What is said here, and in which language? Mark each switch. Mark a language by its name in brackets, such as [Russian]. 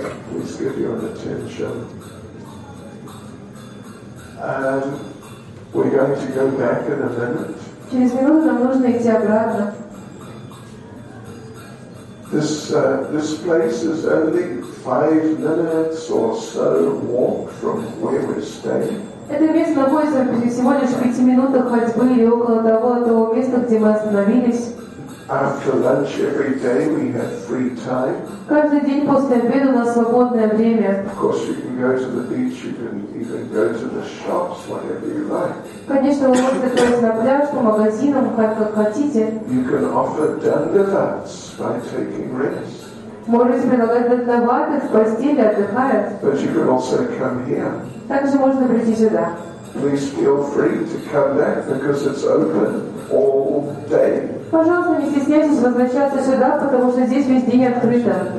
[English] Please give your attention. And we're going to go back in a minute. [Russian] Через минуту нам нужно идти обратно. [English] This place is only 5 minutes or so walk from where we're staying. [Russian] Это место находится всего лишь в 5 минутах ходьбы или около того от того места, где мы остановились. [English] After lunch every day we have free time. [Russian] Каждый день после обеда у нас свободное время. [English] Of course you can go to the beach, you can even go to the shops, whatever you like. [Russian] Конечно, вы можете ходить на пляж, по магазинам, как хотите. [English] You can offer dandavats by taking rest. [Russian] Можете предлагать дандаваты в постели, отдыхая. [English] But you can also come here. [Russian] Также можно прийти сюда. [English] Please feel free to come back because it's open all day. [Russian] Пожалуйста, не стесняйтесь возвращаться сюда, потому что здесь весь день открыто.